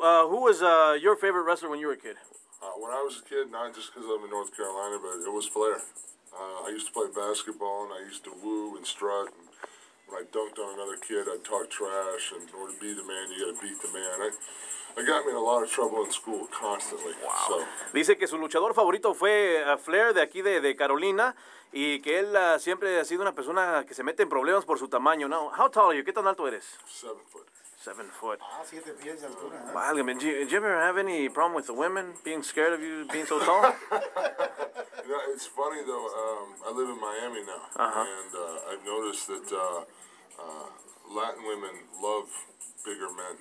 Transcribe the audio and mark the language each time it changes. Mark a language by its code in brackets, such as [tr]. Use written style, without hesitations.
[en] Who was your favorite wrestler when you were a kid? When I was a kid, not just because I'm in North Carolina, but it was Flair. I used to play basketball, and I used to woo and strut. And when I dunked on another kid, I'd talk trash. And in order to be the man, you got to beat the man. I got me in a lot of trouble in school constantly. Wow. So. [es] Dice que su luchador favorito fue Flair de aquí de Carolina, y que él siempre ha sido una persona que se mete en problemas por su tamaño. [en] Now, how tall are you? [es] ¿Qué tan alto eres? [en] 7 foot. 7 foot. [es] Ah, 7 pies de altura. [en] Wow, man. Do you ever have any problem with the women being scared of you being so tall? You know, it's funny though. I live in Miami now, and I've noticed that Latin women love bigger men.